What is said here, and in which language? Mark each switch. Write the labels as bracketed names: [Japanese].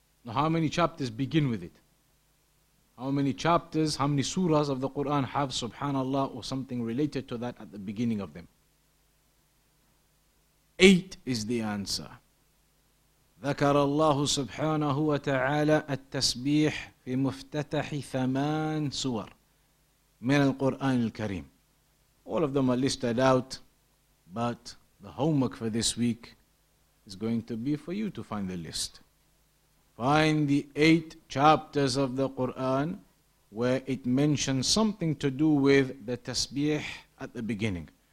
[English] How many chapters begin with it? How many chapters, how many surahs of the Quran have subhanallah or something related to that at the beginning of them? 8 is the answer. [Arabic] ذكر الله سبحانه وتعالى التسبيح في مفتتح ثمان سور من القرآن الكريم. [English] All of them are listed out, but the homework for this week is going to be for you to find the list. Find the 8 chapters of the Quran where it mentions something to do with the tasbih at the beginning.